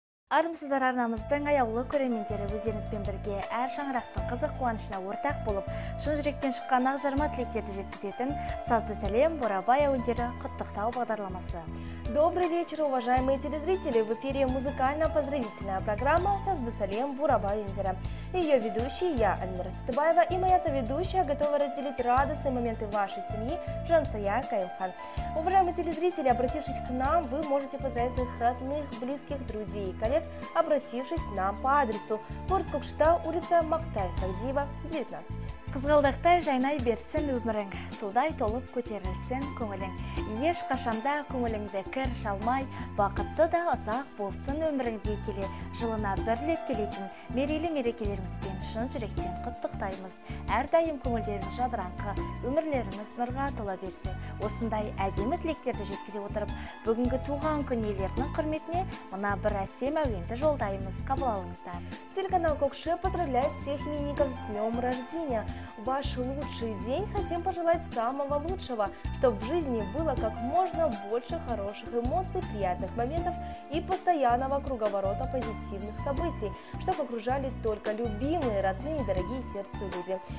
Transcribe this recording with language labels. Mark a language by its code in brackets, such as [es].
[kk] Армысыз арнамыздың аяулы көрермендері, өздеріңізбен бірге әр шаңырақтың қызық қуанышына ортақ болып, шын жүректен шыққан ақ жарма тілектерді жеткізетін сазды сәлем, Бурабай әуендері құттықтау бағдарламасы. [ru] Добрый вечер, уважаемые телезрители! В эфире музыкально-поздравительная программа «Сазды сәлем, Бурабай әуендері». Ее ведущий я, Альмира Сатыбаева, и моя соведущая готова разделить радостные моменты вашей семьи, Жансая Каимхан. Уважаемые телезрители, обратившись к нам, вы можете поздравить своих родных, близких, друзей и коллег, обратившись к нам по адресу Порт Кокштау, улица Мактай Сагдиева, 19. [kk] Қызғалдықтай жайнай берсін өмірің, судай толып көтерілсін көңілің. Еш қашанда көңіліңді кір шалмай, бақытты да ұзақ болсын өміріңде келе, жылына бір рет келетін мерейлі мерекелеріңізбен шын жүректен құттықтаймыз. Әрдайым көңілдеріңіз жадыраңқы, өмірлеріңіз нұрға тола берсін. Осындай әдемі тілектерді жеткізе отырып, бүгінгі туған күн иелерінің құрметіне мына бір әсем әуенді жолдаймыз. Қабыл алыңыздар. [ru] Телеканал Кокшы поздравляет всех именинников с днем рождения. Ваш лучший день хотим пожелать самого лучшего, чтобы в жизни было как можно больше хороших эмоций, приятных моментов и постоянного круговорота позитивных событий, чтобы окружали только любимые, родные и дорогие сердцу люди.